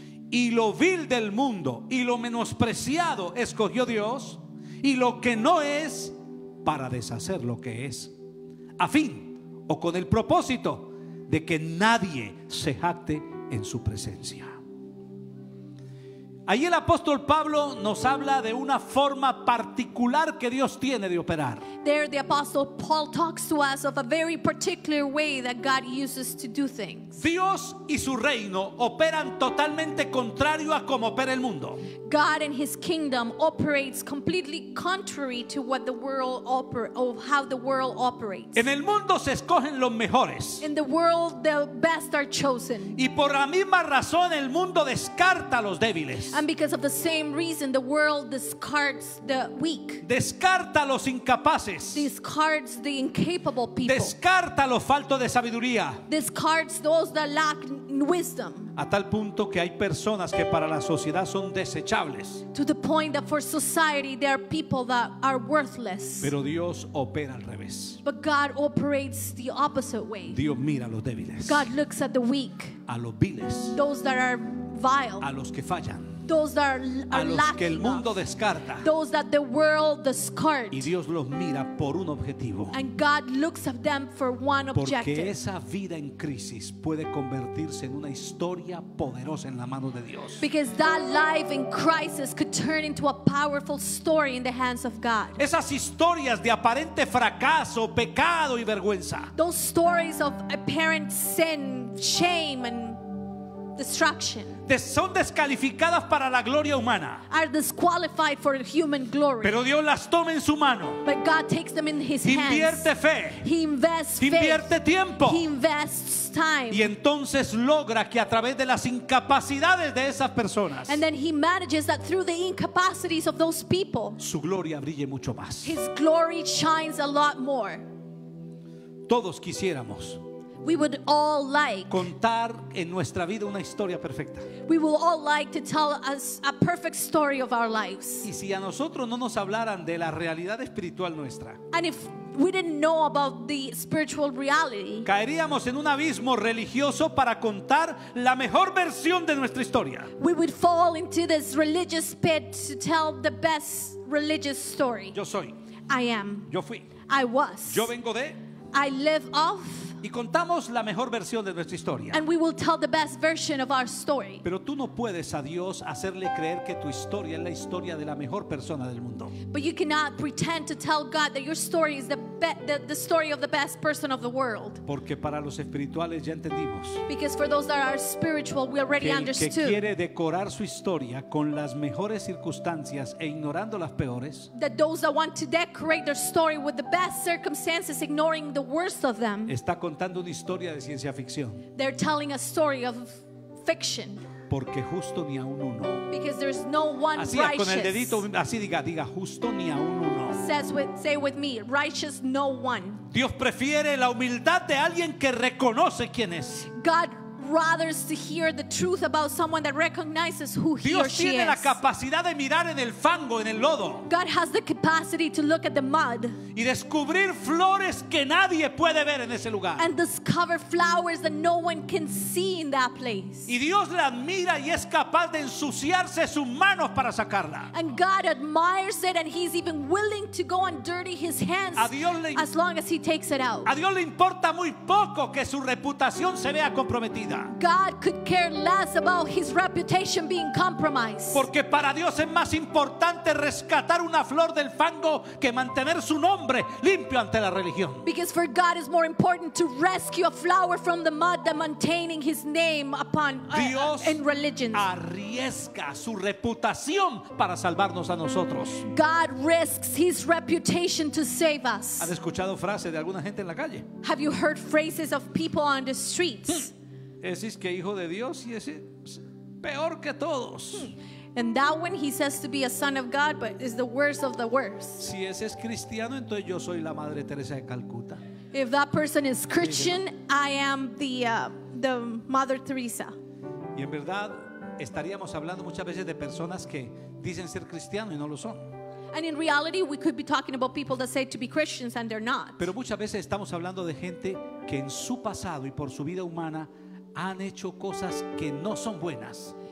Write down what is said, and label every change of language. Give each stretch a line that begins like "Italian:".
Spanish: Y lo vil del mundo y lo menospreciado escogió Dios, y lo que no es para deshacer lo que es, a fin o con el propósito de que nadie se jacte en su presencia. Ahí el apóstol Pablo nos habla de una forma particular que Dios tiene de operar.
English: there the apostle Paul talks to us of a very particular way that God uses to do things.
Spanish: Dios y su reino operan totalmente contrario a como opera el mundo.
English: God and his kingdom operates completely contrary to what the world how the world operates.
Spanish: En el mundo se escogen los mejores.
English: In the world the best are chosen.
Spanish: Y por la misma razón el mundo descarta a los débiles.
English: And because of the same reason the world discards the weak.
Spanish: Descarta a los incapaces.
English: Discards the incapable people.
Spanish: Descarta a los faltos de sabiduría.
English: Discards those that lack wisdom.
Spanish: A tal punto que hay personas que para la sociedad son desechables.
English: To the point that for society there are people that are worthless.
Spanish: Pero Dios opera al revés.
English: But God operates the opposite way.
Spanish: Dios mira a los débiles.
English: God looks at the weak.
Spanish: A los viles.
English: Those that are vile.
Spanish: A los que fallan.
English: Those that are lacking.
Spanish: A los que el mundo descarta.
English: Those that the world discards.
Spanish: Y Dios los mira por un objetivo.
English: And God looks at them for one objective.
Spanish: Porque esa vida en crisis puede convertirse en una historia poderosa en la mano de Dios.
English: Because that life in crisis could turn into a powerful story in the hands of God.
Spanish: Esas historias de aparente fracaso, pecado y vergüenza.
English: Those stories of apparent sin, shame and destruction.
Spanish: Son descalificadas para la gloria humana.
English: Are disqualified for human glory.
Spanish: Pero Dios las toma en su mano.
English: But God takes them in his hands.
Spanish: Invierte fe.
English: He invests faith.
Spanish: Invierte tiempo.
English: He invests time.
Spanish: Y entonces logra que a través de las incapacidades de esas personas.
English: And then he manages that through the incapacities of those people.
Spanish: Su gloria brille mucho más.
English: His glory shines a lot more.
Spanish: Todos quisiéramos.
English: We would all like
Spanish: contar en nuestra vida una historia perfecta.
English: We would all like to tell us a perfect story of our lives.
Spanish: Y si a nosotros no nos hablaran de la realidad espiritual nuestra.
English: And if we didn't know about the spiritual reality.
Spanish: Caeríamos en un abismo religioso para contar la mejor versión de nuestra historia.
English: We would fall into this religious pit to tell the best religious story.
Spanish: Yo soy.
English: I am.
Spanish: Yo fui.
English: I was.
Spanish: Yo vengo de.
English: I live off.
Spanish: Y contamos la mejor versión de nuestra historia.
English: And we will tell the best version of our story.
Spanish: Pero tú no puedes a Dios hacerle creer que tu historia es la historia de la mejor persona del mundo.
English: But you cannot pretend to tell God that your story is the story of the best person of the world.
Spanish: Porque para los espirituales ya entendimos.
English: Because for those that are spiritual, we already understood.
Spanish: Que quiere decorar su historia con las mejores circunstancias e ignorando las peores.
English: That those that want to decorate their story with the best circumstances, ignoring the worst of them.
Spanish: Está contando una historia de ciencia ficción.
English: They're telling a story of fiction.
Spanish: Porque justo ni a un uno.
English: Because there's no one
Spanish: así,
English: righteous.
Spanish: Con el dedito, así diga justo ni a un uno.
English: Say with me, righteous no one.
Spanish: Dios prefiere la humildad de alguien que reconoce quién es.
English: God rather to hear the truth about someone that recognizes who he
Spanish: Dios
English: or she is.
Spanish: Dios tiene la capacidad de mirar en el fango, en el lodo.
English: God has the capacity to look at the mud.
Spanish: Y descubrir flores que nadie puede ver en ese lugar.
English: And discover flowers that no one can see in that place.
Spanish: Y Dios la admira y es capaz de ensuciarse sus manos para sacarla.
English: And God admires it and he's even willing to go and dirty his hands as long as he takes it out.
Spanish: A Dios le importa muy poco que su reputación se vea comprometida.
English: God could care less about his reputation being compromised.
Spanish: Porque para Dios es más importante rescatar una flor del fango que mantener su nombre limpio ante la religión.
English: Because for God it's more important to rescue a flower from the mud than maintaining his name upon
Spanish: Dios
English: in religion.
Spanish: Arriesga su reputación para salvarnos a nosotros.
English: God risks his reputation to save us.
Spanish: ¿Has escuchado frases de alguna gente en la calle?
English: Have you heard phrases of people on the streets?
Spanish: Ese es que hijo de Dios y ese es peor que todos.
English: And that one he says to be a son of God, but is the worst of the worst.
Spanish: Si ese es cristiano, entonces yo soy la Madre Teresa de Calcuta.
English: If that person is Christian, I am the Mother Teresa.
Spanish: Y en verdad estaríamos hablando muchas veces de personas que dicen ser cristianos y no lo son.
English: And in reality, we could be talking about people that say to be Christians and they're not.
Spanish: Pero muchas veces estamos hablando de gente que en su pasado y por su vida humana han hecho cosas que no son buenas.